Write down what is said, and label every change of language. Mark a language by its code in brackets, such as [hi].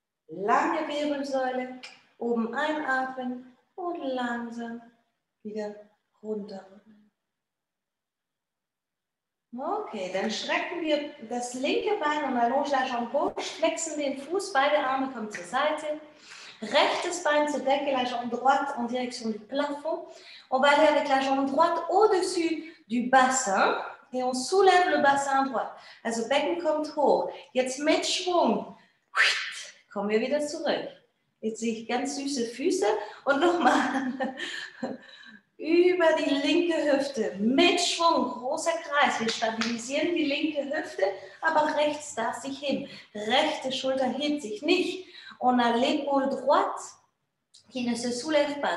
[de] Lange Wirbelsäule, oben einatmen und langsam wieder runter. Okay, dann strecken wir das linke Bein und [fr] allonge la jambe gauche, [de] flexen den Fuß, beide Arme kommen zur Seite. Rechtes Bein zur Decke, [fr] la jambe droite en direction du plafond. On va aller avec la jambe droite au-dessus du bassin et on soulève le bassin droit. [de] Also Becken kommt hoch. Jetzt mit Schwung. Kommen wir wieder zurück. Jetzt sehe ich ganz süße Füße. Und nochmal. Über die linke Hüfte. Mit Schwung. Großer Kreis. Wir stabilisieren die linke Hüfte, aber rechts darf sich hin. Rechte Schulter hebt sich nicht. [fr] On a l'épaule droite qui ne se soulève pas.